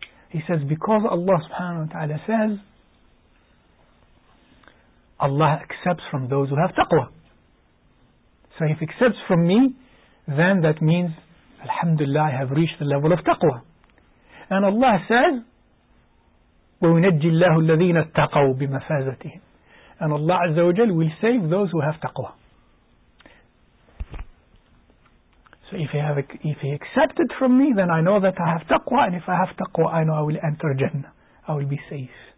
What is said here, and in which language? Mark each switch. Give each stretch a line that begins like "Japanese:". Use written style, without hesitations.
English: He says, because Allah subhanahu wa ta'ala says, Allah accepts from those who have taqwa. So if he accepts from me, then that means, alhamdulillah, I have reached the level of taqwa. And Allah says,
Arabic: وَيُنَجِّ اللَّهُ الَّذِينَ اتَّقَوْا بِمَفَازَتِهِ.
English: And Allah azza wa jal will save those who have taqwa. So if he accepted from me, then I know that I have taqwa, and if I have taqwa, I know I will enter Jannah. I will be safe.